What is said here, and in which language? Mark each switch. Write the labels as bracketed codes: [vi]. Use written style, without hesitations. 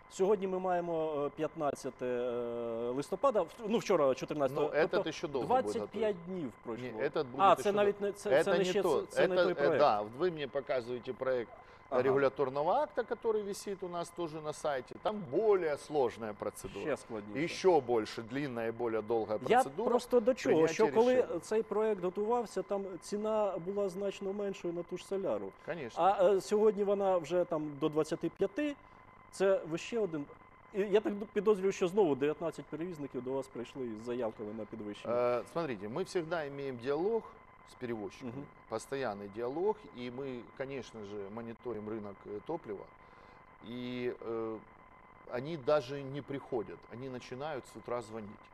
[uk] Сьогодні ми маємо 15 листопада, ну вчора 14. Ну, тобто, це ще довго 25 буде днів пройшло. Ні, этот буде це навіть не, це не ще, це не той проєкт. Да, ви мені показуєте проєкт. Ага. [ru] Регуляторного акта, который висит у нас тоже на сайте, там более сложная процедура. [uk] Ще складніше. [ru] Еще больше, длинная и более долгая процедура. [uk] Я просто до чого, що коли цей проект готувався, там ціна була значно меншою на ту ж соляру. [ru] Конечно. [uk] А сьогодні вона вже там до 25, це ще один... Я так підозрюю, що знову 19 перевізників до вас прийшли з заявками на підвищення. Смотрите, ми завжди маємо діалог с перевозчиками, угу. [ru] постоянный диалог, и мы, конечно же, мониторим рынок топлива, и они даже не приходят, они начинают с утра звонить.